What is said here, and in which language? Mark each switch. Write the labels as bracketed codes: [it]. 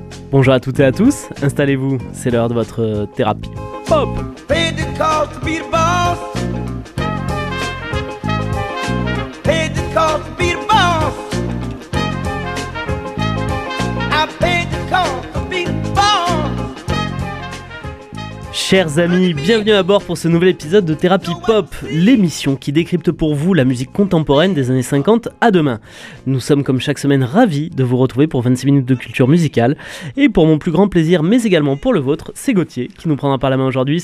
[fr] Bonjour à toutes et à tous, installez-vous, c'est l'heure de votre thérapie. [en] Pop! Pay the cost to be the boss. Pay the cost to be the boss. I pay the cost to be the boss. [fr] Chers amis, bienvenue à bord pour ce nouvel épisode de Thérapie Pop, l'émission qui décrypte pour vous la musique contemporaine des années 50 à demain. Nous sommes comme chaque semaine ravis de vous retrouver pour 26 minutes de culture musicale. Et pour mon plus grand plaisir, mais également pour le vôtre, c'est Gauthier qui nous prendra par la main aujourd'hui.